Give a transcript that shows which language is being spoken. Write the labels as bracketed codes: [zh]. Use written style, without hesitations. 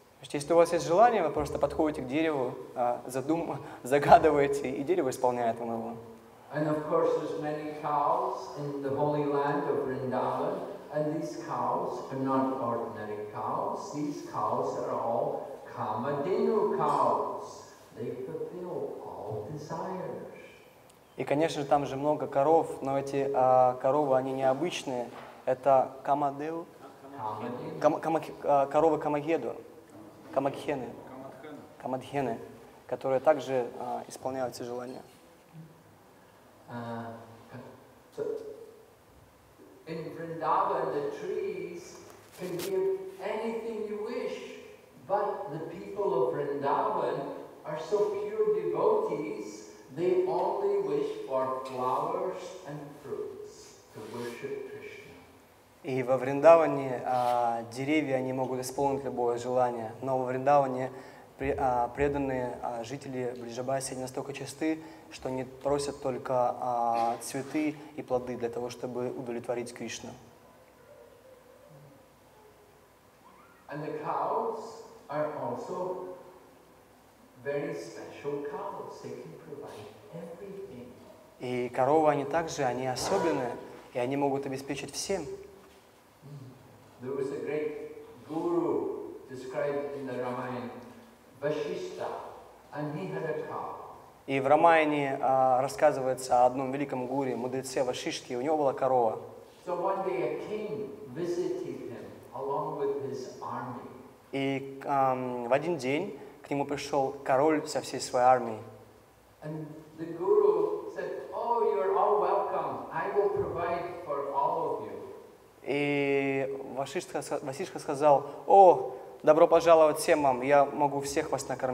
[ru] Если у вас есть желание, вы просто подходите к дереву, загадываете, и дерево исполняет вам его. [en] And of course, there's many cows in the holy land of Vrindavan, and these cows are not ordinary cows. These cows are all Kamadhenu cows. They fulfill all desires. [ru] И, конечно, там же много коров, но эти коровы они необычные. Это Kamadhenu. Коровы Kamadhenu. Камадхены, камадхены, которые также исполняют все желания. [en] In Vrindavan, the trees can give anything you wish, but the people of Vrindavan are so pure devotees, they only wish for flowers and fruits to worship Krishna. [ru] И во Вриндаване деревья они могут исполнить любое желание, но во Вриндаване преданные жители Бриджабаси настолько чисты, что они просят только цветы и плоды для того, чтобы удовлетворить Кришну. [en] And the cows are also very special cows. They can provide everything. [ru] И коровы они также они особенные, и они могут обеспечить всем. [en] There was a great guru described in the Ramayana, Vasishtha, and he had a cow. [ru] И в Рамаяне рассказывается о одном великом гуре, мудреце Вашиште, у него была корова. [en] So one day a king visited him along with his army. [ru] И в один день к нему пришел король со всей своей армией. [en] And the guru said, "Oh, you are all welcome. I will provide for all of you." [ru] И Васишка сказал, «О, добро пожаловать всем вам, я могу всех вас